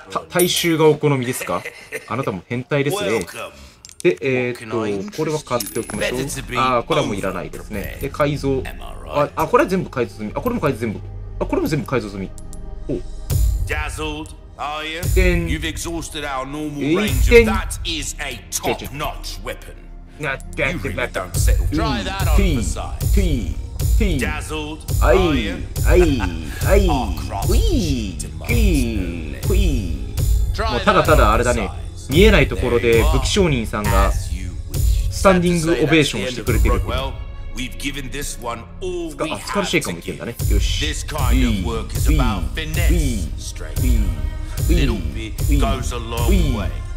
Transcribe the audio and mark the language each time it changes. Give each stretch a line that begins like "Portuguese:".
Japanese: 大衆がお好みですか？あなたも変態ですね。で、これは買っておきましょう。あ、これはもういらないですね。で、改造。あ、これは全部改造済み。あ、これも改造全部。あ、これも全部改造済み。お。
English: Dazzled, are you? You've exhausted our normal range. That is a top-notch weapon. You really don't settle. Try that on the side. Dazzled, are you? Our craftsmanship demands that.
Japanese: もうただただあれだね。見えないところで武器商人さんがスタンディングオベーションしてくれてる。
English: We've given this one all we have to give. This kind of work is about finesse, straight. Little bit goes a long way.